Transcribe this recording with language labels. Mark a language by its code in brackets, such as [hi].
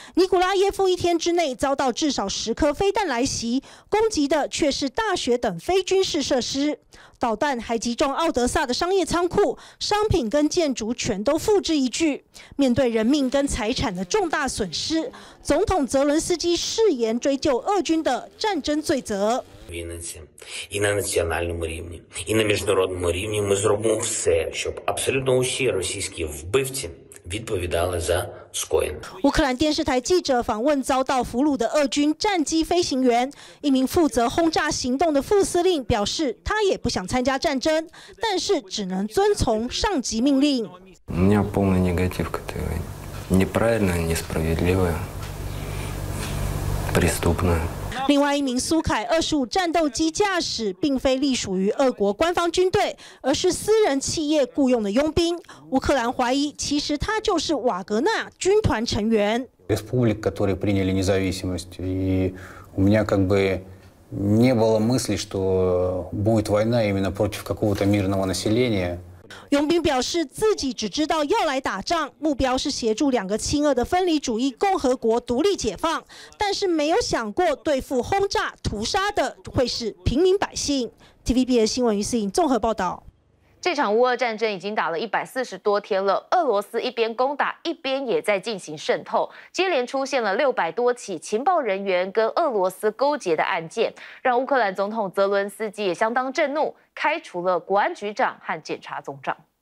[zh] 尼古拉耶夫一天之内遭到至少10颗飞弹来袭，攻击的却是大学等非军事设施。导弹还击中奥德萨的商业仓库，商品跟建筑全都付之一炬。面对人命跟财产的重大损失，总统泽伦斯基誓言追究俄军的战争罪责。 [uk] І на національному рівні, і на міжнародному рівні ми зробимо все, щоб абсолютно усі російські вбивці відповідали за скоєне. [zh] 乌克兰电视台记者访问遭到俘虏的俄军战机飞行员，一名负责轰炸行动的副司令表示，他也不想参加战争，但是只能遵从上级命令。 [ru] У меня повний негатив к этой войне, неправильная, несправедливая, преступная. [zh] 另外一名苏凯25战斗机驾驶并非隶属于俄国官方军队，而是私人企业雇用的佣兵。乌克兰怀疑，其实他就是瓦格纳军团成员。 [ru] Республик, которые приняли независимость, и у меня как бы не было мысли, что будет война именно против какого-то мирного населения. [zh] 佣兵表示，自己只知道要来打仗，目标是协助两个亲俄的分离主义共和国独立解放，但是没有想过对付轰炸屠杀的会是平民百姓。 TVBS 新闻于思颖综合报道。这场乌俄战争已经打了140多天了，俄罗斯一边攻打，一边也在进行渗透，接连出现了600多起情报人员跟俄罗斯勾结的案件，让乌克兰总统泽伦斯基也相当震怒，开除了国安局长和检察总长。